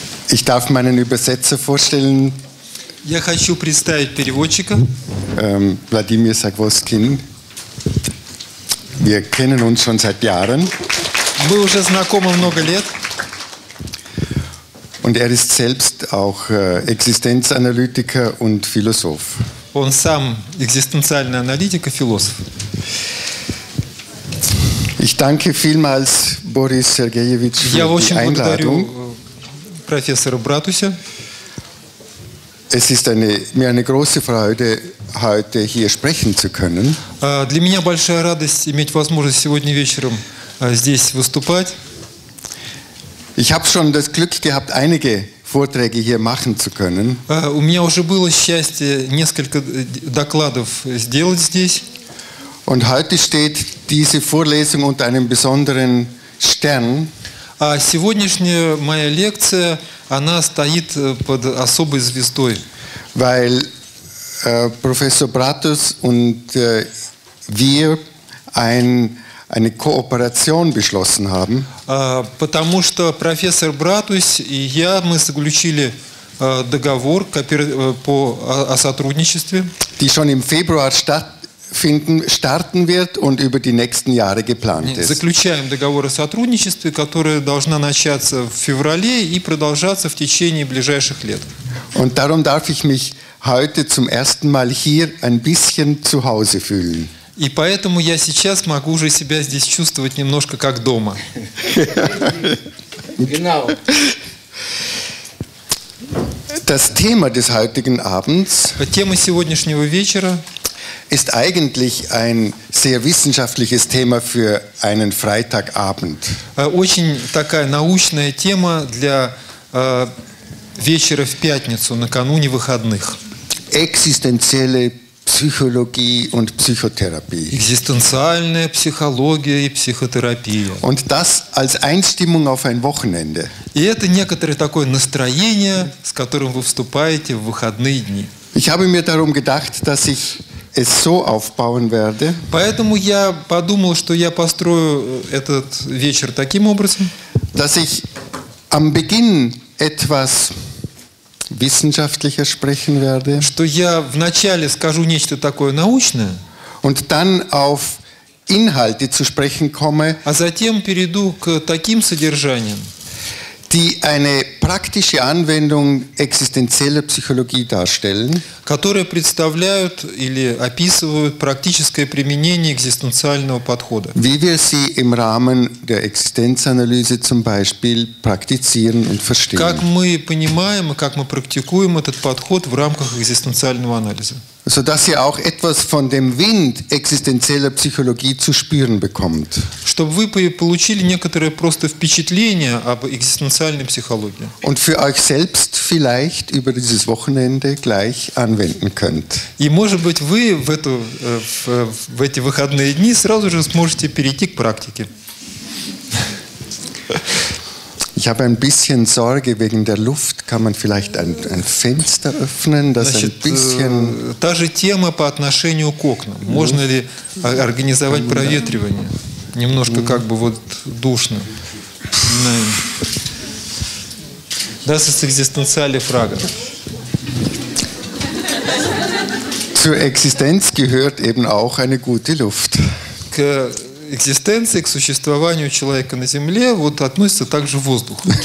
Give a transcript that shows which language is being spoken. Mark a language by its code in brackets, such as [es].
[de] Ich darf meinen Übersetzer vorstellen. [ru] Я хочу представить переводчика. Владимир Сагвоскин. [de] Wir kennen uns schon seit Jahren. [ru] Мы уже знакомы много лет. [de] Und ist selbst auch Existenzanalytiker und Philosoph. [ru] Он сам экзистенциальный аналитик и философ. [de] Ich danke vielmals Boris Sergejewitsch für die Einladung. [ru] Я очень благодарю профессора Братуся. [de] Es ist mir eine große Freude, heute hier sprechen zu können. [ru] Для меня большая радость иметь возможность сегодня вечером здесь выступать. [de] Ich habe schon das Glück gehabt, einige Vorträge hier machen zu können. [ru] У меня уже было счастье несколько докладов сделать здесь. [de] Und heute steht diese Vorlesung unter einem besonderen Stern. [ru] А сегодняшняя моя лекция, она стоит под особой звездой. [de] Weil Professor Bratus und wir eine Kooperation beschlossen haben. [ru] Потому что профессор Братус и я, мы заключили договор о сотрудничестве, [de] die schon im Februar starten wird und über die nächsten Jahre geplant ist. [ru] Заключаем договор о сотрудничестве, которое должно начаться в феврале и продолжаться в течение ближайших лет. [de] Und darum darf ich mich heute zum ersten Mal hier ein bisschen zu Hause fühlen. [ru] И поэтому я сейчас могу уже себя здесь чувствовать немножко как дома. [de] Genau. Das Thema des heutigen Abends. [ru] Тема сегодняшнего вечера. [de] Ist eigentlich ein sehr wissenschaftliches Thema für einen Freitagabend. [ru] Очень такая научная тема для вечера в пятницу, накануне выходных. Экзистенциальная психология и психотерапия. Экзистенциальная психология и психотерапия. [de] Und das als Einstimmung auf ein Wochenende. [ru] И это некоторое такое настроение, с которым вы вступаете в выходные дни. [de] Ich habe mir darum gedacht, dass ich es so aufbauen werde. [ru] Поэтому я подумал, что я построю этот вечер таким образом, [de] dass ich am Beginn etwas wissenschaftlicher sprechen werde. [ru] Что я вначале скажу нечто такое научное, [de] und dann auf Inhalte zu sprechen komme, [ru] а затем перейду к таким содержаниям, [de] die eine praktische Anwendung existenzieller Psychologie darstellen, [ru] которые представляют или описывают практическое применение экзистенциального подхода, [de] wie wir sie im Rahmen der Existenzanalyse zum Beispiel praktizieren und verstehen. [ru] Как мы понимаем и как мы практикуем этот подход в рамках экзистенциального анализа. [de] So dass ihr auch etwas von dem Wind existenzieller Psychologie zu spüren bekommt. [ru] Чтобы вы получили некоторое просто впечатление об экзистенциальной психологии. [de] Und für euch selbst vielleicht über dieses Wochenende gleich anwenden könnt. [ru] И может быть вы в эти выходные дни сразу же сможете перейти к практике. [de] Ich habe ein bisschen Sorge wegen der Luft. Kann man vielleicht ein Fenster öffnen, dass ein bisschen. [ru] Та же тема по отношению к окнам. Можно ли организовать проветривание? Немножко как бы вот душно. [de] Das ist existenzielle Frage. Zur Existenz gehört eben auch eine gute Luft. [ru] Экзистенции, к существованию человека на Земле, вот относится также воздух.